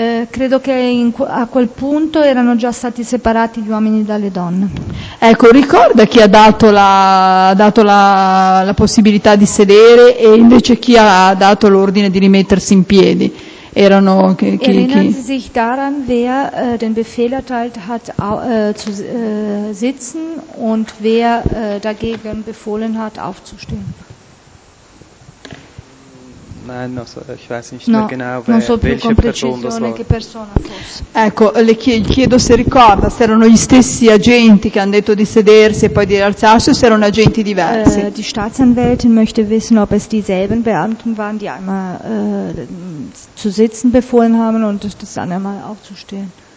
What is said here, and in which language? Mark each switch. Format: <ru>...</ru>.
<it>Credo che a quel punto erano già stati separati gli uomini dalle donne. Ecco, ricorda chi ha dato la possibilità di sedere e invece chi ha dato l'ordine di rimettersi in piedi? Erano chi?</it> <de>Erinnern Sie sich daran, wer den Befehl erteilt hat zu sitzen und wer dagegen befohlen hat aufzustehen? Nein, also ich weiß nicht mehr genau,</de> <it>non so più con precisione</it> <de>das war.</de> <it>Che persona fosse. Ecco, le chiedo se ricorda se erano gli stessi agenti che hanno detto di sedersi e poi di rialzarsi o se erano agenti diversi.</it> <de>Die Staatsanwältin möchte wissen, ob es dieselben Beamten waren, die einmal zu sitzen befohlen haben und das dann einmal aufzustehen.</de>